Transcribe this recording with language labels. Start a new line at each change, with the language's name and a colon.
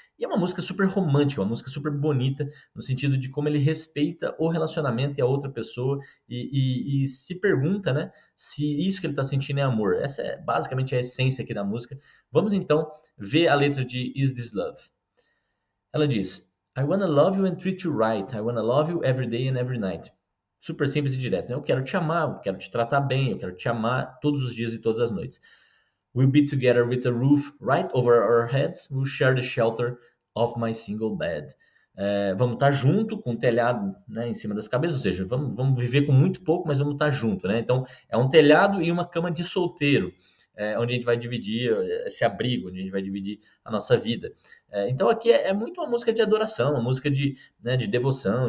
Portuguese: E é uma música super romântica, uma música super bonita, no sentido de como ele respeita o relacionamento e a outra pessoa e se pergunta, né, se isso que ele está sentindo é amor. Essa é basicamente a essência aqui da música. Vamos então ver a letra de Is This Love. Ela diz:
English: I wanna love you and treat you right. I wanna love you every day and every night.
Portuguese: Super simples e direto, né? Eu quero te amar, eu quero te tratar bem, eu quero te amar todos os dias e todas as noites.
English: We'll be together with a roof right over our heads. We'll share the shelter of my single bed.
Portuguese: É, vamos estar junto com o telhado, né, em cima das cabeças, ou seja, vamos viver com muito pouco, mas vamos estar junto, né? Então, é um telhado e uma cama de solteiro, onde a gente vai dividir esse abrigo, onde a gente vai dividir a nossa vida. É, então, aqui é muito uma música de adoração, uma música de, né, de devoção.